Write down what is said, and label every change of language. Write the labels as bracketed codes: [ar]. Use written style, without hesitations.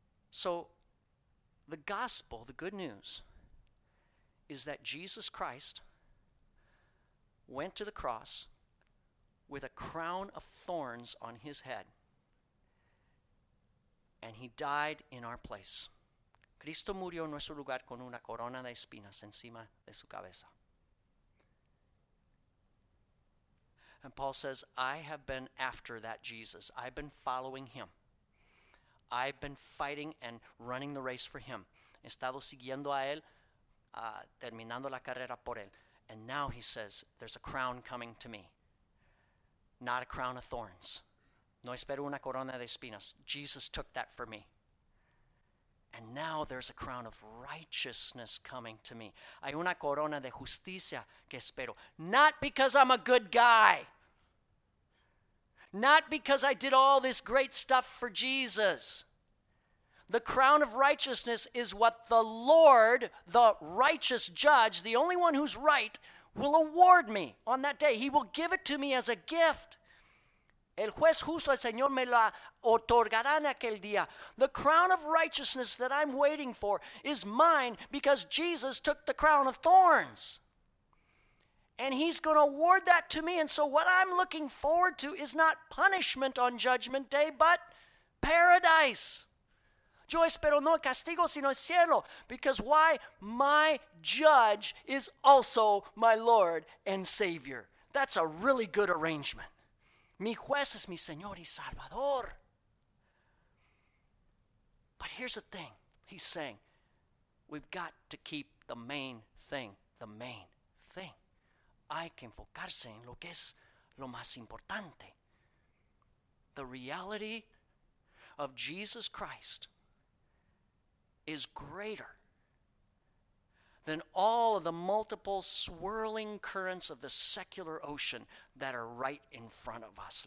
[en] So, the gospel, the good news, is that Jesus Christ went to the cross with a crown of thorns on his head. And he died in our place. [es] Cristo murió en nuestro lugar con una corona de espinas encima de su cabeza. [en] And Paul says, I have been after that Jesus. I've been following him. I've been fighting and running the race for him. [es] He estado siguiendo a él, terminando la carrera por él. [en] And now he says, there's a crown coming to me. Not a crown of thorns. [es] No espero una corona de espinas. [en] Jesus took that for me. And now there's a crown of righteousness coming to me. [es] Hay una corona de justicia que espero. [en] Not because I'm a good guy. Not because I did all this great stuff for Jesus. The crown of righteousness is what the Lord, the righteous judge, the only one who's right, will award me on that day. He will give it to me as a gift. [es] El juez justo, el Señor, me la otorgará en aquel día. [en] The crown of righteousness that I'm waiting for is mine because Jesus took the crown of thorns. And he's going to award that to me. And so what I'm looking forward to is not punishment on judgment day, but paradise. [es] Yo espero no castigo, sino el cielo. [en] Because why? My judge is also my Lord and Savior. That's a really good arrangement. [es] Mi juez es mi Señor y Salvador. [en] But here's the thing. He's saying, we've got to keep the main thing, the main thing. [es] Hay que enfocarse en lo que es lo más importante. [en] The reality of Jesus Christ is greater than all of the multiple swirling currents of the secular ocean that are right in front of us.